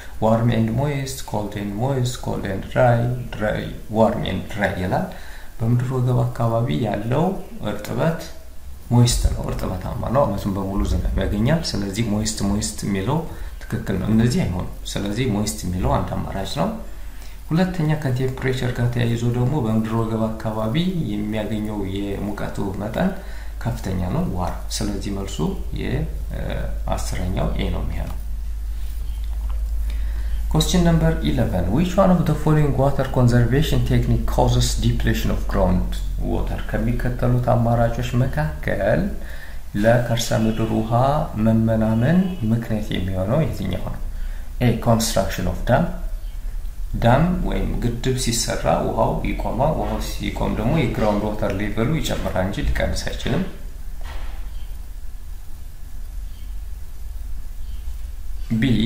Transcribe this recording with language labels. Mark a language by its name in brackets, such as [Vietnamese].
[English] warm and moist, cold and moist, cold and dry, [Amharic] dry, warm and dry ይላል። በምድር ወገብ አካባቢ ያለው እርጥበት moist ነው፣ እርጥበታማ ነው። አመቱን በሙሉ ዝናብ ያገኛል። ስለዚህ moist moist የሚለው ትክክል ነው። እንደዚህ አይሆን። ስለዚህ moist የሚለው አንድ አማራጭ ነው። ሁለተኛ ከቴምፕሬቸር ጋር ተያይዞ ደግሞ በምድር ወገብ አካባቢ የሚያገኘው የሙቀቱ መጠን ከፍተኛ ነው፣ warm። ስለዚህ መልሱ የ10ኛው A ነው የሚሆነው። [English] Question number 11. Which one of the following water conservation technique causes depletion of ground water? [Amharic] ከሚከተሉት አማራጮች መካከል ለከርሰ ምድር ውሃ መመናመን ምክንያት የሚሆነው የትኛው ነው? A. [English] Construction of dam. [Amharic] Dam ወይም ግድብ ሲሰራ ውሃው ይቆማል። ውሃው ሲቆም ደግሞ የግራውንድ ዋተር ሌቨሉ ይጨምራል እንጂ ሊቀንስ አይችልም። B.